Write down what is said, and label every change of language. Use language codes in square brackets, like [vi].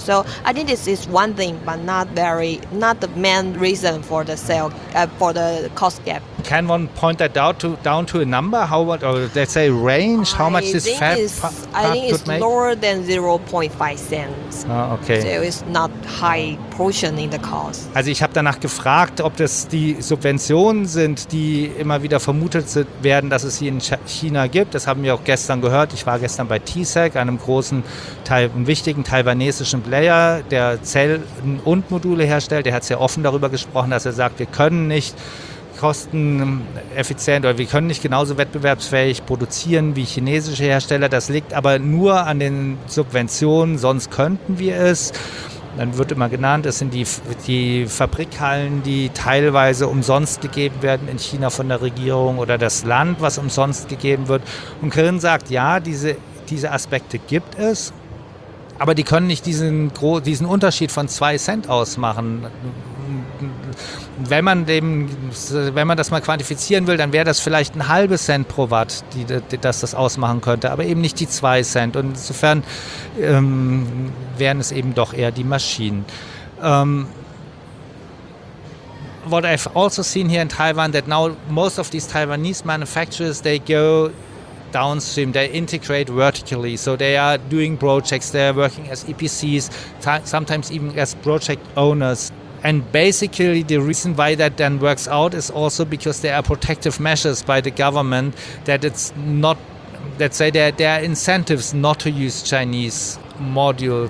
[en] So I think this is one thing, but not the main reason for the sale for the cost gap. Can one point that down to a number? How about, or let's say range? How much this fab could make? I think it's lower than 0.5 cents. Oh, okay. So it's not high portion in the cost. [de] Also ich habe danach gefragt, ob das die Subventionen sind, die immer wieder vermutet werden, dass es sie in China gibt. Das haben wir auch gestern gehört. Ich war gestern bei TSEC, einem großen, wichtigen taiwanesischen Player, der Zellen und Module herstellt. Der hat sehr offen darüber gesprochen, dass er sagt, wir können nicht kosteneffizient oder wir können nicht genauso wettbewerbsfähig produzieren wie chinesische Hersteller. Das liegt aber nur an den Subventionen, sonst könnten wir es. Dann wird immer genannt, es sind die Fabrikhallen, die teilweise umsonst gegeben werden in China von der Regierung oder das Land, was umsonst gegeben wird. Und Corinne sagt, ja, diese Aspekte gibt es, aber die können nicht diesen Unterschied von 2 Cent ausmachen. wenn man dem, wenn man das mal quantifizieren will, dann wäre das vielleicht ein halbes Cent pro Watt, dass das ausmachen könnte, aber eben nicht die 2 Cent. Und insofern wären es eben doch eher die Maschinen. [en] What I've also seen here in Taiwan, that now most of these Taiwanese manufacturers, they go downstream, they integrate vertically. So they are doing projects, they are working as EPCs, sometimes even as project owners. And basically the reason why that then works out is also because there are protective measures by the government that it's not, let's say there are incentives not to use Chinese modules.